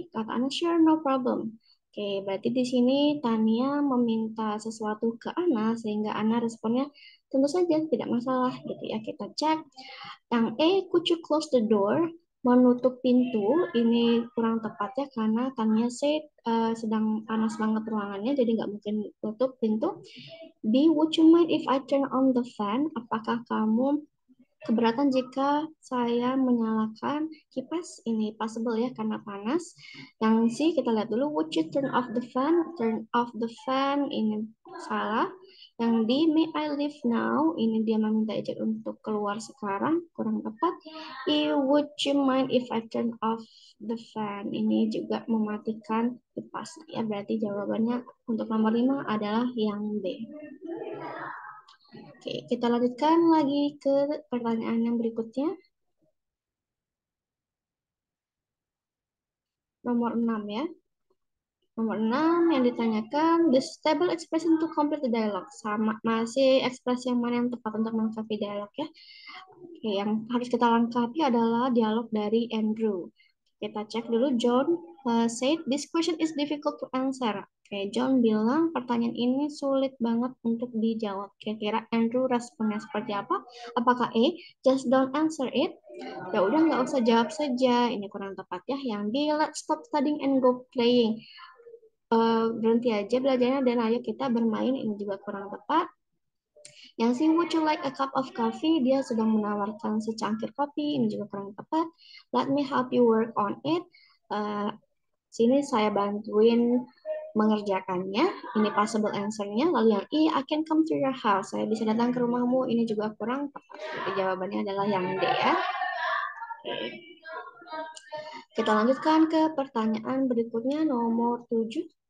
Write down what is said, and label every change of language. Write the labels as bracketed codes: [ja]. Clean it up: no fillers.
[id] Kata Anna, [en] sure, no problem. [id] Oke, berarti di sini Tania meminta sesuatu ke Anna sehingga Anna responnya tentu saja tidak masalah gitu ya. Kita cek. [en] Yang E, could you close the door? [id] Menutup pintu ini kurang tepat ya karena Tanya said sedang panas banget ruangannya jadi nggak mungkin tutup pintu. [en] B, would you mind if I turn on the fan? [id] Apakah kamu keberatan jika saya menyalakan kipas? Ini possible ya karena panas. Yang C, kita lihat dulu, [en] would you turn off the fan? Turn off the fan [id] ini salah. Yang D, [en] may I leave now? [id] Ini dia meminta izin untuk keluar sekarang, kurang tepat. [en] E, would you mind if I turn off the fan? [id] Ini juga mematikan kipas. Ya, berarti jawabannya untuk nomor 5 adalah yang D. Oke, kita lanjutkan lagi ke pertanyaan yang berikutnya. Nomor 6 ya. Nomor 6 yang ditanyakan, [en] the stable expression to complete the dialogue. [id] Sama, masih ekspresi yang mana yang tepat untuk melengkapi dialog ya. Oke, yang harus kita lengkapi adalah dialog dari Andrew. Kita cek dulu, [en] John said, this question is difficult to answer. [id] Oke, John bilang pertanyaan ini sulit banget untuk dijawab. Kira-kira Andrew responnya seperti apa? Apakah A, [en] just don't answer it? [id] Ya udah nggak usah jawab saja. Ini kurang tepat ya. Yang B, [en] let's stop studying and go playing. [id] Berhenti aja belajarnya dan ayo kita bermain. Ini juga kurang tepat. [en] Yang C, would you like a cup of coffee? [id] Dia sudah menawarkan secangkir kopi. Ini juga kurang tepat. [en] Let me help you work on it. [id] Sini saya bantuin mengerjakannya. Ini possible answer-nya. Lalu yang I, [en] I can come to your house. [id] Saya bisa datang ke rumahmu. Ini juga kurang tepat. Jadi jawabannya adalah yang D ya. Okay. Kita lanjutkan ke pertanyaan berikutnya nomor 7.